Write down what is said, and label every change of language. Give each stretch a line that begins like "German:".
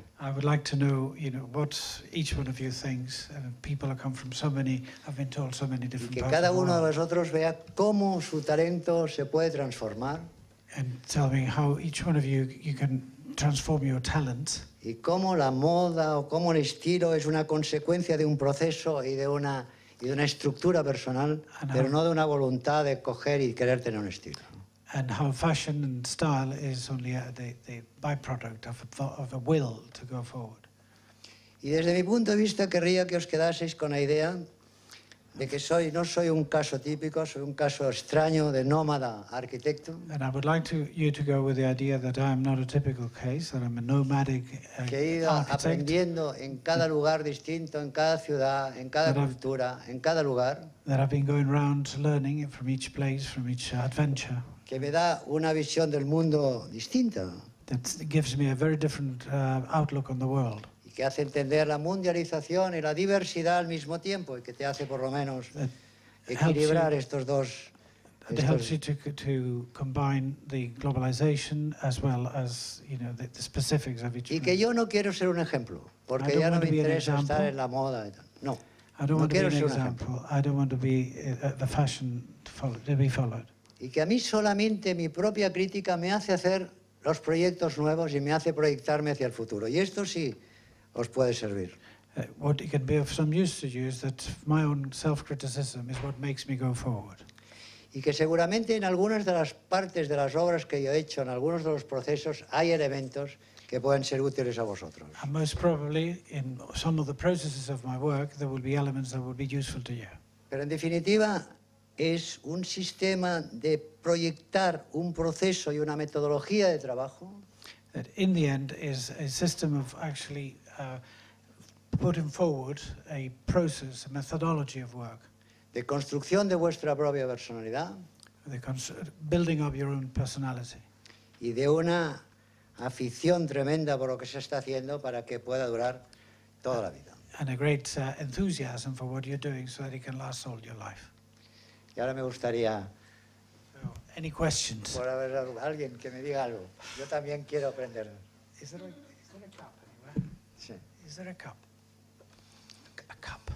English: I would like to know, you know, what each one of you thinks. People have come from so many, have been told so many different.
Spanish: Y que cada uno de vosotros vea cómo su talento se puede transformar.
English: And tell me how each one of you can transform your talent.
Spanish: Y cómo la moda o cómo el estilo es una consecuencia de un proceso y de una estructura personal, pero no de una voluntad de coger y querer tener un estilo.
English: And how fashion and style is only the byproduct of a will to go forward.
Spanish: Y desde mi punto de vista querría que os quedaseis con la idea de que no soy un caso típico, soy un caso extraño de nómada arquitecto.
English: And I would like you to go with the idea that I am not a typical case, that I'm a nomadic architect.
Spanish: Que he ido aprendiendo en cada lugar distinto, en cada ciudad, en cada cultura, en cada lugar.
English: That I've been going around learning from each place, from each adventure.
Spanish: Que me da una visión del mundo distinta.
English: That gives me a very different outlook on the world.
Spanish: Y que hace entender la mundialización y la diversidad al mismo tiempo, y que te hace por lo menos equilibrar estos dos.
English: It helps you to combine the globalization as well as, you know, the specifics of each.
Spanish: Y que yo no quiero ser un ejemplo, porque ya no me interesa estar en la moda.
English: No. I don't want to be an example. I don't want to be the fashion to be followed.
Spanish: Y que a mí solamente mi propia crítica me hace hacer los proyectos nuevos y me hace proyectarme hacia el futuro. Y esto sí os puede servir.
English: What it can be of some use to you is that my own self-criticism is what makes me go forward.
Spanish: Y que seguramente en algunas de las partes de las obras que yo he hecho, en algunos de los procesos, hay elementos que pueden ser útiles a vosotros.
English: And most probably in some of the processes of my work there will be elements that will be useful to you.
Spanish: Pero en definitiva es un sistema de proyectar un proceso y una metodología de trabajo.
English: That in the end is a system of actually putting forward a process, a methodology of work.
Spanish: De construcción de vuestra propia personalidad.
English: Building up your own personality.
Spanish: Y de una afición tremenda por lo que se está haciendo para que pueda durar toda la vida.
English: And a great enthusiasm for what you're doing so that it can last all your life.
Spanish: Y ahora me gustaría.
English: Any questions?
Spanish: Por haber alguien que me diga algo. Yo también quiero aprender.
English: Is there a cup anywhere?
Spanish: Sí.
English: Is there a cup? A cup.